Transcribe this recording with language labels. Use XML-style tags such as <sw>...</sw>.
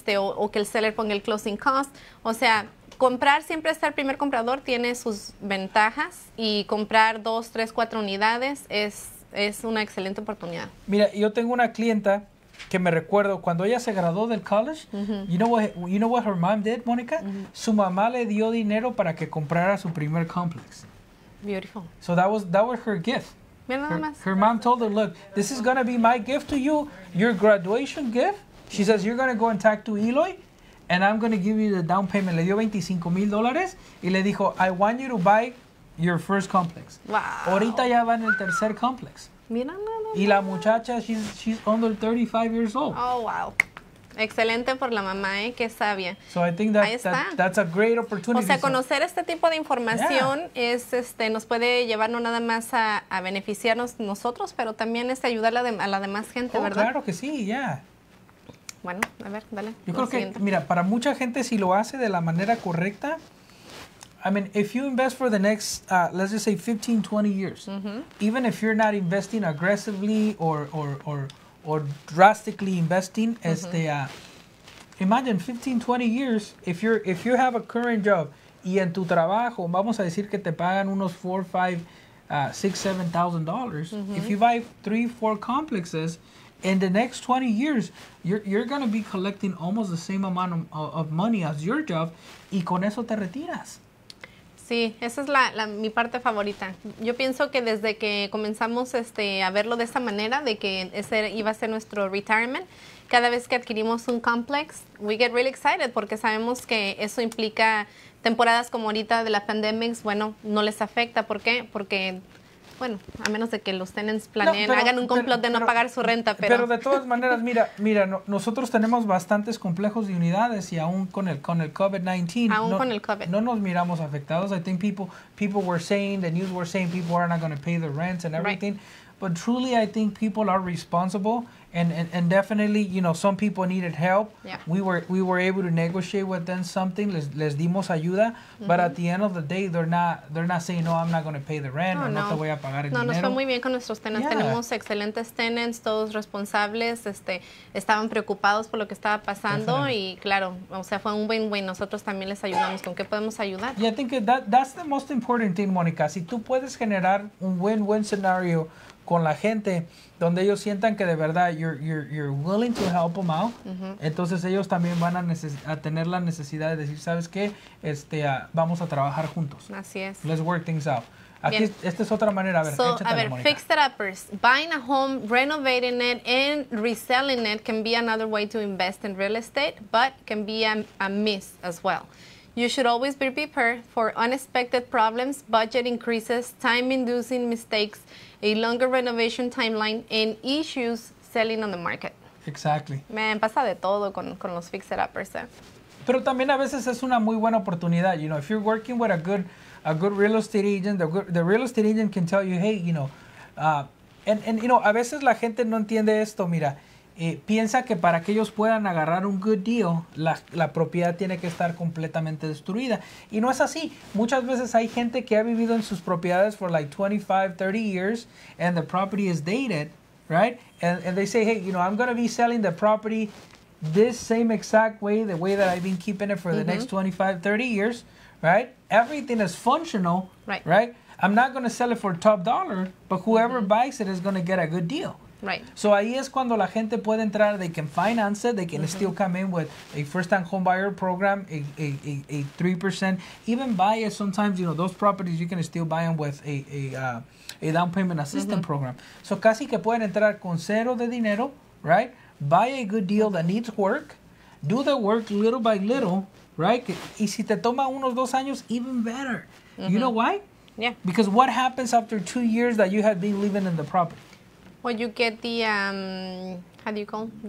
<es>O que el seller ponga el closing cost. O sea, comprar siempre hasta el primer comprador tiene sus ventajas y comprar 2, 3, 4 unidades es una excelente oportunidad. Mira, yo tengo una clienta que me recuerdo cuando ella se graduó del college, mm-hmm.</es> <en>you know what her mom did, Monica?</en> <es>Mm-hmm. Su mamá le dio dinero para que comprara su primer complex.</es> <en>Beautiful. So that was her gift. Her mom told her, look, this is going to be my gift to you, your graduation gift. She says, you're going to go and talk to Eloy, and I'm going to give you the down payment.</en> <es>Le dio $25,000 y le dijo,</es> <en>I want you to buy your first complex. Wow.</en> <es>Ahorita ya va en el tercer complex. Mira. Y la muchacha,</es> <en>she's under 35 years old. Oh, wow.</en> <es>Excelente por la mamá, qué sabia.</es> <en>So I think that's a great opportunity.</en> <es>O sea, conocer este tipo de información yeah. es nos puede llevar no nada más a beneficiarnos nosotros, pero también es ayudar a la demás gente, oh, ¿verdad? Claro que sí, ya. Yeah. Bueno, a ver, dale. Yo creo que, mira, para mucha gente, si lo hace de la manera correcta,</es> <en>I mean, if you invest for the next, let's just say 15, 20 years, mm-hmm. even if you're not investing aggressively or drastically investing, mm-hmm. as the, imagine 15, 20 years, if you have a current job,</en> <es>y en tu trabajo, vamos a decir que te pagan unos</es> <en>$4,000, $5,000, $6,000, $7,000, mm-hmm. if you buy 3-4 complexes, in the next 20 years, you're going to be collecting almost the same amount of money as your job,</en> <es>y con eso te retiras. Sí, esa es mi parte favorita. Yo pienso que desde que comenzamos a verlo de esta manera, de que ese iba a ser nuestro retirement, cada vez que adquirimos un complex,</es> <en>we get really excited</en> <es>porque sabemos que eso implica temporadas como ahorita de la pandemia. Bueno, no les afecta. ¿Por qué? Porque, bueno, a menos de que los tenants planeen, hagan un complot de no pagar su renta. Pero de todas maneras, mira, no, nosotros tenemos bastantes complejos de unidades y aún con el COVID-19. No nos miramos afectados.</es> <en>I think people were saying, the news were saying people are not going to pay the rents and everything. Right. But truly, I think people are responsible. And definitely, you know, some people needed help. Yeah. We were able to negotiate with them something.</en> <es>Les dimos ayuda.</es> <en>Mm-hmm. But at the end of the day, they're not saying, no, I'm not going to pay the rent.</en> <es>No, or no te voy a pagar el no, dinero. No, nos fue muy bien con nuestros tenants. Yeah. Tenemos excelentes tenants, todos responsables. Estaban preocupados por lo que estaba pasando. Definitely. Y claro, o sea, fue un win-win. Nosotros también les ayudamos. ¿Con qué podemos ayudar?</es> <en>Yeah, I think that's the most important thing, Mónica.</en> <es>Si tú puedes generar un win-win scenario con la gente, donde ellos sientan que de verdad</es> <en>you're willing to help them out, mm-hmm.</en> <es>entonces ellos también van a tener la necesidad de decir, ¿sabes qué? Vamos a trabajar juntos. Así es.</es> <en>Let's work things out.</en> <es>Aquí, esta es otra manera. A ver, Monica.</es> <en>Fixed uppers. Buying a home, renovating it, and reselling it can be another way to invest in real estate, but can be a miss as well. You should always be prepared for unexpected problems, budget increases, time-inducing mistakes, a longer renovation timeline, and issues selling on the market. Exactly.</en> <es>Man, pasa de todo con los fixer-uppers. Pero también a veces es una muy buena oportunidad.</es> <en>You know, if you're working with a good real estate agent, the real estate agent can tell you, hey, you know, and you know,</en> <es>a veces la gente no entiende esto, mira. Piensa que para que ellos puedan agarrar un good deal, la propiedad tiene que estar completamente destruida. Y no es así. Muchas veces hay gente que ha vivido en sus propiedades</es> <en>for like 25, 30 years, and the property is dated, right? And they say, hey, you know, I'm going to be selling the property this same exact way, the way that I've been keeping it for mm-hmm. the next 25, 30 years, right? Everything is functional, right? I'm not going to sell it for top dollar, but whoever mm-hmm. buys it is going to get a good deal. Right. So</en> <es>ahí es cuando la gente puede entrar,</es> <en>they can finance it, they can mm-hmm. still come in with a first-time home buyer program, a 3%, even buy it sometimes, you know, those properties you can still buy them with a down payment assistance mm-hmm. program.</en> <es>So casi que pueden entrar con cero de dinero, right?</es> <en>Buy a good deal that needs work, do the work little by little, right?</en> <es>Y si te toma unos 2 años,</es> <en>even better. Mm-hmm. You know why? Yeah. Because what happens after 2 years that you have been living in the property? Well, you get the, how do you call it?</en>